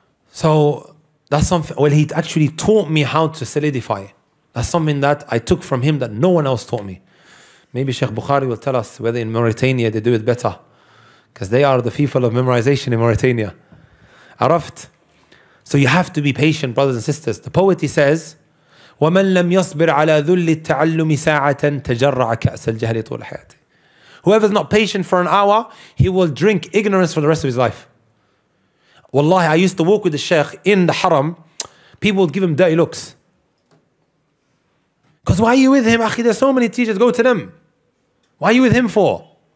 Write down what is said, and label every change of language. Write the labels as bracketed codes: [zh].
[en] So that's something, well, he actually taught me how to solidify. That's something that I took from him that no one else taught me. Maybe Sheikh Bukhari will tell us whether in Mauritania they do it better, because they are the people of memorization in Mauritania. [ar] Araft? [en] So you have to be patient, brothers and sisters. The poet, he says, [ar] وَمَنْ لَمْ يَصْبِرْ عَلَى ذُلِّ التَّعَلُّمِ سَاعَةً تَجَرَّعَ كَأْسَ الْجَهْلِ طُولَ حَيَاتِ. [en] Whoever's not patient for an hour, he will drink ignorance for the rest of his life. Wallahi, I used to walk with the sheikh in the haram. People would give him dirty looks. Because why are you with him? Akhi, there's so many teachers, go to them. Why are you with him for?